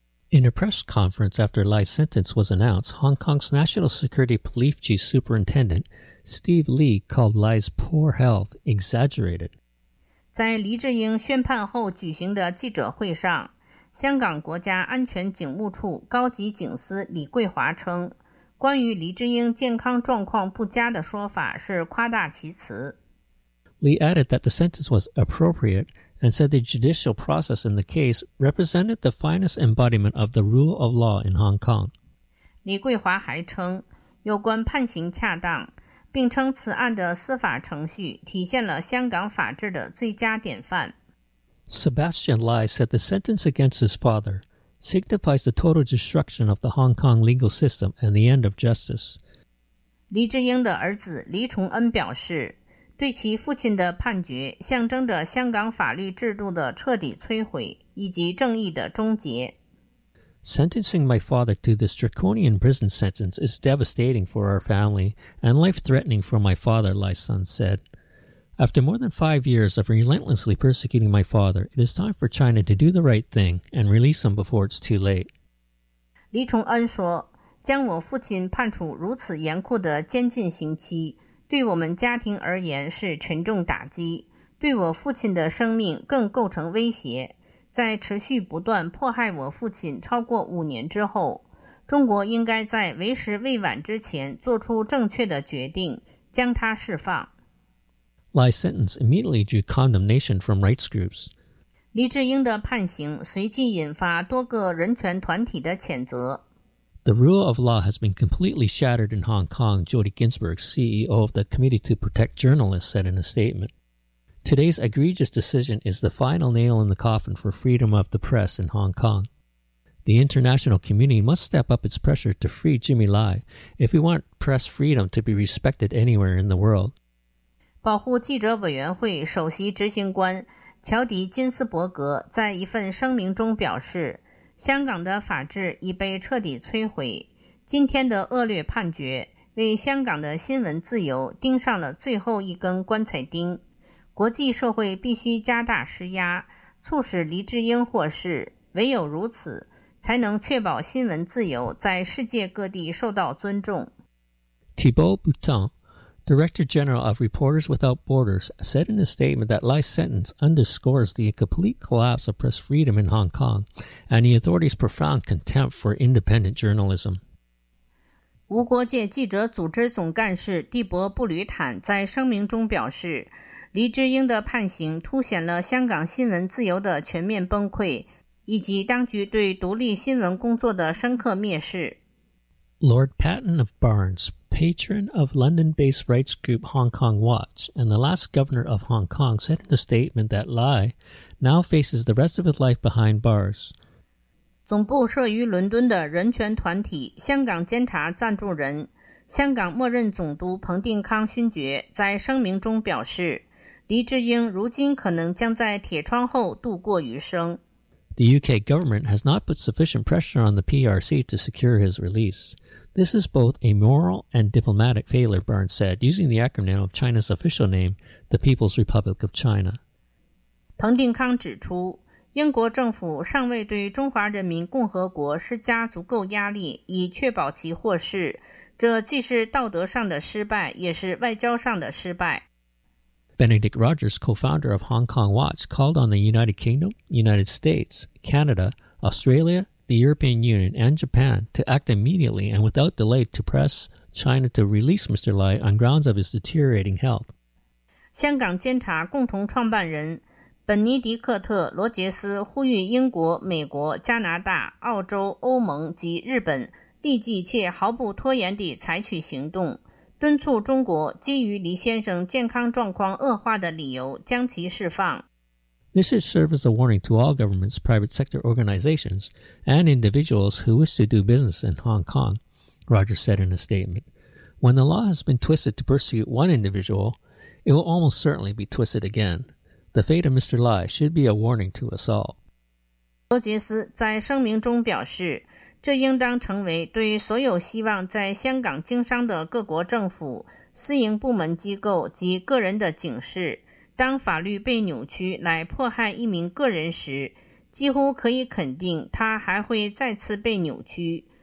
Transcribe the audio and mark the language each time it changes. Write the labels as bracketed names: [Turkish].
[English] In a press conference after Lai's sentence was announced, Hong Kong's National Security Police Superintendent Steve Lee called Lai's poor health exaggerated. [Chinese] 在黎智英宣判后举行的记者会上，香港国家安全警务处高级警司李桂华称，关于黎智英健康状况不佳的说法是夸大其词。 [English] Li added that the sentence was appropriate and said the judicial process in the case represented the finest embodiment of the rule of law in Hong Kong. [Chinese] 李桂华还称，有关判刑恰当，并称此案的司法程序体现了香港法治的最佳典范。 [English] Sebastian Lai said the sentence against his father signifies the total destruction of the Hong Kong legal system and the end of justice. [Chinese] 黎智英的儿子黎崇恩表示，对其父亲的判决象征着香港法律制度的彻底摧毁以及正义的终结。 [English] Sentencing my father to this draconian prison sentence is devastating for our family and life-threatening for my father, Lai's son said. After more than 5 years of relentlessly persecuting my father, it is time for China to do the right thing and release him before it's too late. [Chinese] 李崇恩说，将我父亲判处如此严酷的监禁刑期，对我们家庭而言是沉重打击，对我父亲的生命更构成威胁。在持续不断迫害我父亲超过5年之后，中国应该在为时未晚之前做出正确的决定，将他释放。 [English] Lai's sentence immediately drew condemnation from rights groups. [Chinese] 黎智英的判刑随即引发多个人权团体的谴责。 [English] The rule of law has been completely shattered in Hong Kong, Jody Ginsburg, CEO of the Committee to Protect Journalists, said in a statement. Today's egregious decision is the final nail in the coffin for freedom of the press in Hong Kong. The international community must step up its pressure to free Jimmy Lai if we want press freedom to be respected anywhere in the world. [Chinese] 保护记者委员会首席执行官乔迪·金斯伯格在一份声明中表示，香港的法治已被彻底摧毁，今天的恶劣判决为香港的新闻自由钉上了最后一根棺材钉，国际社会必须加大施压，促使黎智英获释，唯有如此，才能确保新闻自由在世界各地受到尊重。 [English] Thibault Boutin, Director General of Reporters Without Borders, said in a statement that Lai's sentence underscores the complete collapse of press freedom in Hong Kong and the authorities' profound contempt for independent journalism. [Chinese] 无国界记者组织总干事蒂博·布吕坦在声明中表示，黎智英的判刑凸显了香港新闻自由的全面崩溃，以及当局对独立新闻工作的深刻蔑视。 [English] Lord Paton of Barnes, patron of London-based rights group Hong Kong Watch, and the last governor of Hong Kong, said in a statement that Lai now faces the rest of his life behind bars. [Chinese] 总部设于伦敦的人权团体香港监察赞助人、香港默认总督彭定康勋爵在声明中表示，黎智英如今可能将在铁窗后度过余生。 [English] The UK government has not put sufficient pressure on the PRC to secure his release. This is both a moral and diplomatic failure, Burns said, using the acronym of China's official name, the People's Republic of China. [Chinese] 彭定康指出，英国政府尚未对中华人民共和国施加足够压力以确保其获释，这既是道德上的失败，也是外交上的失败。 [English] Benedict Rogers, co-founder of Hong Kong Watch, called on the United Kingdom, United States, Canada, Australia, the European Union, and Japan to act immediately and without delay to press China to release Mr. Lai on grounds of his deteriorating health. [Chinese] 香港监察共同创办人本尼迪克特·罗杰斯呼吁英国、美国、加拿大、澳洲、欧盟及日本立即且毫不拖延地采取行动，敦促中国基于黎先生健康状况恶化的理由将其释放。 [English] This should serve as a warning to all governments, private sector organizations, and individuals who wish to do business in Hong Kong, Rogers said in a statement. When the law has been twisted to persecute one individual, it will almost certainly be twisted again. The fate of Mr. Lai should be a warning to us all. [Chinese] 罗杰斯在声明中表示，这应当成为对所有希望在香港经商的各国政府、私营部门机构及个人的警示。当法律被扭曲来迫害一名个人时，几乎可以肯定它还会再次被扭曲。